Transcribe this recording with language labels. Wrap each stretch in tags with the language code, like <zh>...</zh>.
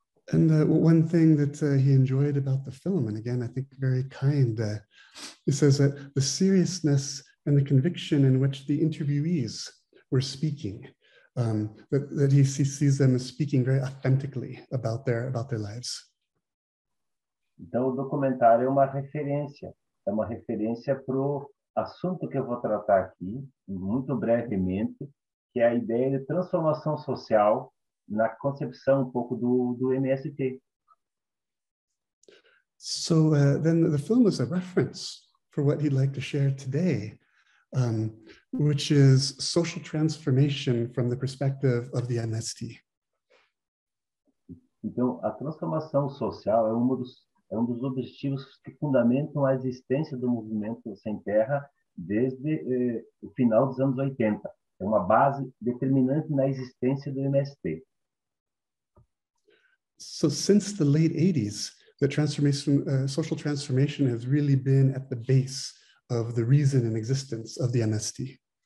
<en>And one thing that he enjoyed about the film, and again, I think very kind, he says that the seriousness and the conviction in which the interviewees were speaking, that he sees them as speaking very authentically about their lives.</en> <pt>Então, o documentário é uma referência. É uma referência para o assunto que eu vou tratar aqui, muito brevemente, que é a ideia de transformação social na concepção um pouco do MST.</pt> <en>So then the film is a reference for what he'd like to share today, which is social transformation from the perspective of the MST.</en> <pt>Então, a transformação social é um dos objetivos que fundamentam a existência do movimento Sem Terra desde o final dos anos 80. É uma base determinante na existência do MST.</pt> <en>So since the late 80s, the transformation, social transformation has really been at the base of the reason and existence of the MST.</en>